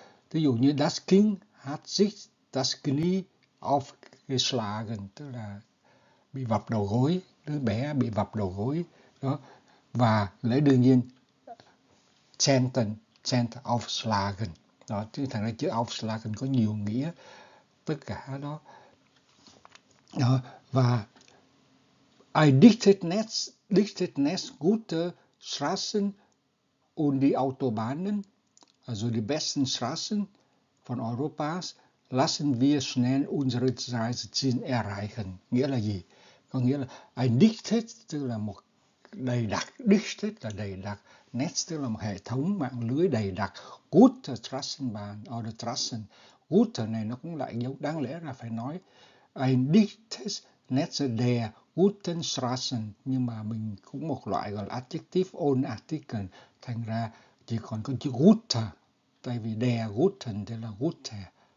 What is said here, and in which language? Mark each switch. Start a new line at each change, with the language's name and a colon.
Vietnamese: Ví dụ như
German: das Kind hat sich das Knie aufgeschlagen,
Vietnamese: tức là bị vập đầu gối, đứa bé bị vập đầu gối đó. Và lẽ đương nhiên zählen aufschlagen đó, chứ thành ra chữ aufschlagen có nhiều nghĩa tất cả đó.
German: Đó, và ein dichtes Netz gute Straßen und die Autobahnen, also die besten Straßen von Europas, lassen wir schnell unsere Reiseziele erreichen.
Vietnamese: Nghĩa là gì? Có nghĩa là ein dichtes, tức là một đầy đặc, dichtes là đầy đặc, Netz tức là một hệ thống mạng lưới đầy đặc,
German: gute Straßenbahn oder Straßen.
Vietnamese: Gute này nó cũng lại giống, đáng lẽ là phải nói
German: ein dichtes Netz der guten Straßen,
Vietnamese: nhưng mà mình cũng một loại gọi là adjective ohne Artikel, thành ra chỉ còn có chữ gute, tại vì der guten thì là gute.